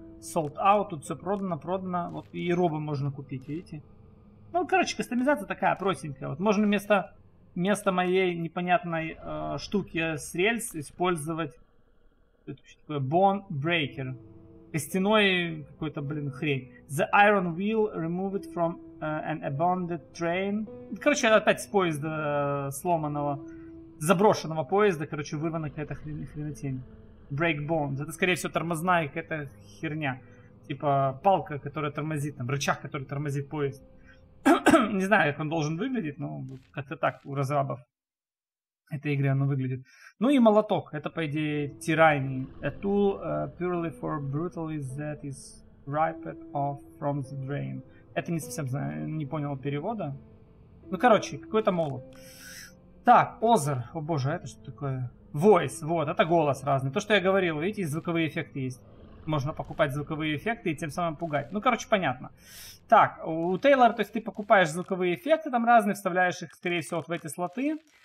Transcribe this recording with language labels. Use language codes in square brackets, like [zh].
[en] Sold out, [ru] тут все продано. Вот и робо можно купить, видите? Ну, короче, кастомизация такая простенькая. Вот можно вместо моей непонятной штуки с рельс использовать... Это вообще такое? Bone Breaker. Костяной какой-то, блин, хрень. [en] The iron wheel removed from an abandoned train. [ru] Короче, опять с поезда сломанного, заброшенного поезда, короче, вырвана какая-то хренотень. [en] Break bones. [ru] Это, скорее всего, тормозная какая-то херня. Типа палка, которая тормозит, там, рычаг, который тормозит поезд. Не знаю, как он должен выглядеть, но как-то так у разрабов этой игры оно выглядит. Ну и молоток. Это, по идее, тирайни. [en] A tool purely for brutally that is ripped off from the drain. [ru] Это не совсем знаю, не понял перевода. Ну, короче, какой-то молот. Так, озер. О боже, это что такое? Voice, вот, это голос разный. То, что я говорил, видите, звуковые эффекты есть. Можно покупать звуковые эффекты и тем самым пугать. Ну, короче, понятно. Так, у Тейлора, то есть ты покупаешь звуковые эффекты там разные, вставляешь их, скорее всего, вот в эти слоты.